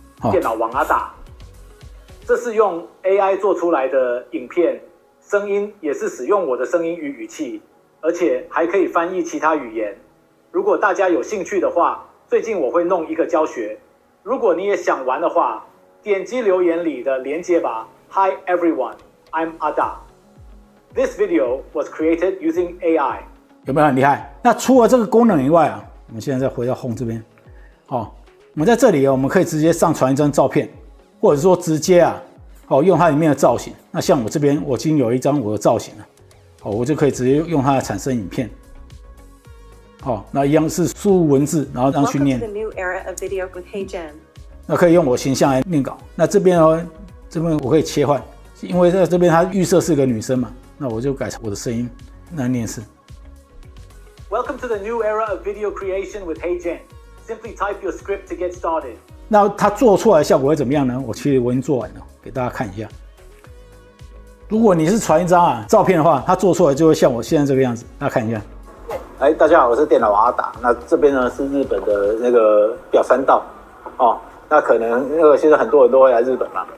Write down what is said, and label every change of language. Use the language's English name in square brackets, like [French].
[Chinese] 电脑王阿大，这是用 AI 做出来的影片，声音也是使用我的声音与语气。而且还可以翻译其他语言，如果大家有兴趣的话，最近我会弄一个教学，如果你也想玩的话，点击留言里的连接吧。 [English] Hi everyone, I'm Ada. This video was created using AI. [Chinese] 有没有很厉害？那除了这个功能以外啊，我们现在再回到 Home 这边，哦，我们在这里，我们可以直接上传一张照片，或者说直接啊，哦，用它里面的造型。那像我这边，我已经有一张我的造型了，哦，我就可以直接用它来产生影片。哦，那一样是输入文字，然后让去念。 [English] Welcome to the new era of video with HeyGen。 [Chinese] 那可以用我形象来念稿。那这边哦，这边我可以切换，因为在这边它预设是个女生嘛，那我就改成我的声音来念是。 [English] Welcome to the new era of video creation with HeyGen。 Simply type your script to get started。 [Chinese] 那它做出来的效果会怎么样呢？我其实我已经做完了，给大家看一下。如果你是传一张啊照片的话，它做出来就会像我现在这个样子，大家看一下。哎，大家好，我是电脑王阿达。那这边呢是日本的那个表参道，哦，那可能那个现在很多人都会来日本嘛。